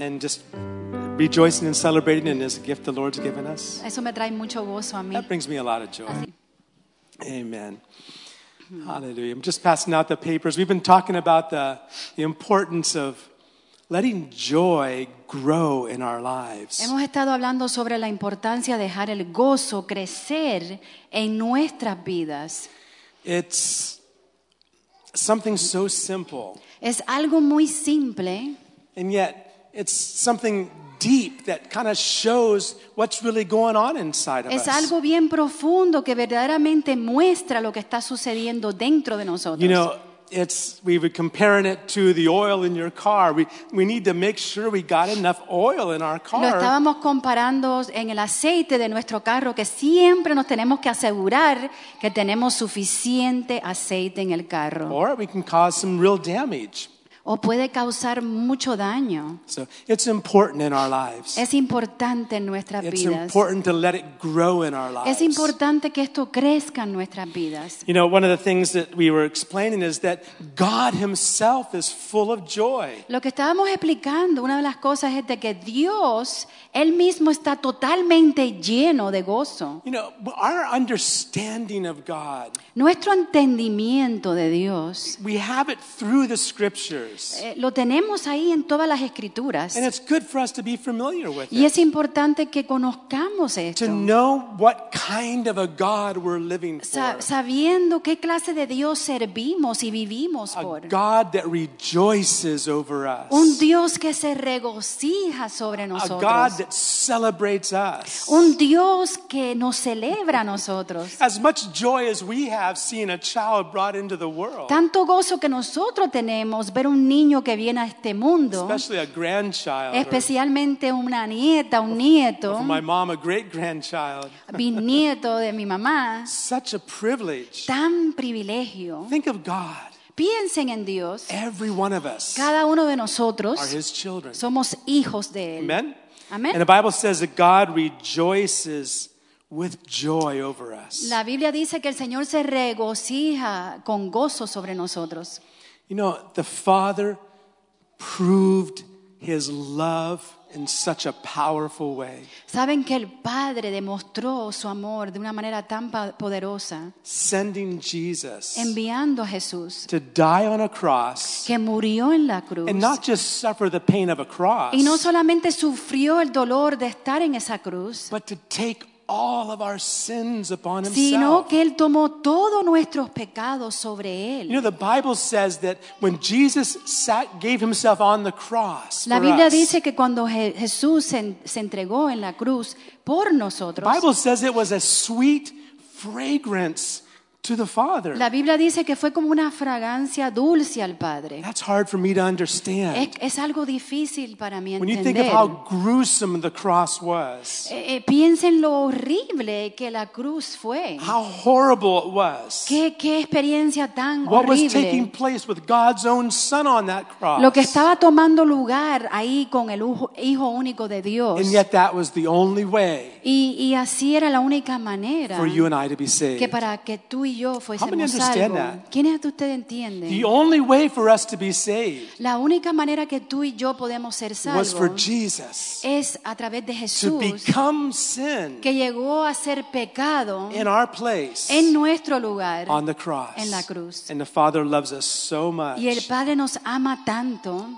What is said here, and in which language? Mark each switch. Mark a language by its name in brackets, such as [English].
[English] And just rejoicing and celebrating in this gift the Lord's given us. [Spanish] Eso me trae mucho gozo a mí. [English] That brings me a lot of joy. Amen. Hallelujah. I'm just passing out the papers. We've been talking about the importance of letting joy grow in our lives. [Spanish] Hemos estado hablando sobre la importancia de dejar el gozo crecer en nuestras vidas. [English] It's something so simple. [Spanish] Es algo muy simple. [English] And yet, it's something deep that kind of shows what's really going on inside of us. [Spanish] Es algo bien profundo que verdaderamente muestra lo que está sucediendo dentro de nosotros. [English] You know, it's we're comparing it to the oil in your car. We need to make sure we got enough oil in our car. [Spanish] Lo estábamos comparando en el aceite de nuestro carro, que siempre nos tenemos que asegurar que tenemos suficiente aceite en el carro. [English] Or we can cause some real damage. [Spanish] O puede causar mucho daño. [English] So it's important in our lives. [Spanish] Es importante en nuestras [English] it's [Spanish] vidas. [English] It's important to let it grow in our lives. [Spanish] Es importante que esto crezca en nuestras vidas. [English] You know, one of the things that we were explaining is that God himself is full of joy. [Spanish] Lo que estábamos explicando, una de las cosas es de que Dios, él mismo está totalmente lleno de gozo. [English] You know, our understanding of God. [Spanish] Nuestro entendimiento de Dios. [English] We have it through the scripture. [Spanish] Lo tenemos ahí en todas las escrituras. [English] And it's good for us to be familiar with [Spanish] y es importante que conozcamos esto. [English] To know what kind of a God we're living for. [Spanish] Sabiendo qué clase de Dios servimos y vivimos por. [English] A God that rejoices over us. [Spanish] Un Dios que se regocija sobre nosotros. [English] A God that celebrates us. [Spanish] Un Dios que nos celebra a nosotros. [English] As much joy as we have seeing a child brought into the world. [Spanish] Tanto gozo que nosotros tenemos ver un niño que viene a este mundo, [English] especially a grandchild, [Spanish] especialmente una nieta, un nieto, [English] my mom, a great grandchild, [Spanish] bisnieto de mi mamá, [English] such a privilege, [Spanish] tan privilegio. [English] Think of God. [Spanish] Piensen en Dios. [English] Every one of us. [Spanish] Cada uno de nosotros [English] are his children. [Spanish] Somos hijos de él. [English] Amen. [Spanish] Amen. [English] And the Bible says that God rejoices with joy over us. [Spanish] La Biblia dice que el Señor se regocija con gozo sobre nosotros. [English] You know, the Father proved his love in such a powerful way. [Spanish] ¿Saben que el Padre demostró su amor de una manera tan poderosa? [English] Sending Jesus. [Spanish] Enviando a Jesús. [English] To die on a cross. [Spanish] Que murió en la cruz. [English] And not just suffer the pain of a cross. [Spanish] Y no solamente sufrió el dolor de estar en esa cruz. [English] But to take all of our sins upon himself. [Spanish] Sino que él tomó todos nuestros pecados sobre él. [English] You know, the Bible says that when Jesus sat, gave himself on the cross. [Spanish] La Biblia [English] for us, [Spanish] dice que cuando Jesús se entregó en la cruz por nosotros. [English] The Bible says it was a sweet fragrance to the Father. [Spanish] La Biblia dice que fue como una fragancia dulce al Padre. [English] That's hard for me to understand. [Spanish] Es algo difícil para mí entender. [English] When you think of how gruesome the cross was. [Spanish] Piensen lo horrible que la cruz fue. [English] How horrible it was. [Spanish] Qué experiencia tan horrible. [English] What was taking place with God's own Son on that cross? [Spanish] Lo que estaba tomando lugar ahí con el Hijo único de Dios. [English] And yet that was the only way. [Spanish] Y así era la única manera. [English] For you and I to be saved. [Spanish] Que para que tú y yo fuésemos salvos. ¿Quiénes de ustedes entienden? [English] The only way for us to be saved. [Spanish] La única manera que tú y yo podemos ser salvos. [English] Was for Jesus. [Spanish] Es a través de Jesús. [English] To become sin. [Spanish] Que llegó a ser pecado. [English] In our place. [Spanish] En nuestro lugar. [English] On the cross. [Spanish] En la cruz. [English] And the Father loves us so much. [Spanish] Y el Padre nos ama tanto.